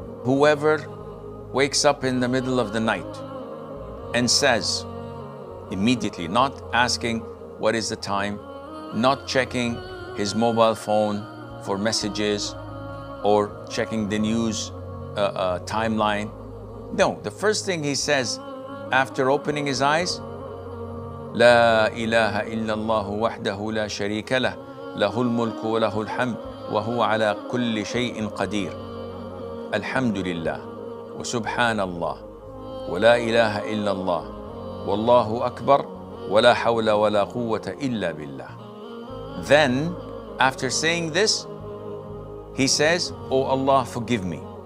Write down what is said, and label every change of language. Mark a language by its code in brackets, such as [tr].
[en] Whoever wakes up in the middle of the night and says immediately, not asking what is the time, not checking his mobile phone for messages or checking the news timeline. No, the first thing he says after opening his eyes, [ar] لا إله إلا الله وحده لا شريك له له الملك وله الحمد وهو على كل شيء قدير الحمد لله وسبحان الله ولا إله إلا الله والله أكبر ولا حول ولا قوة إلا بالله. [en] Then, after saying this, he says, O Allah, forgive me.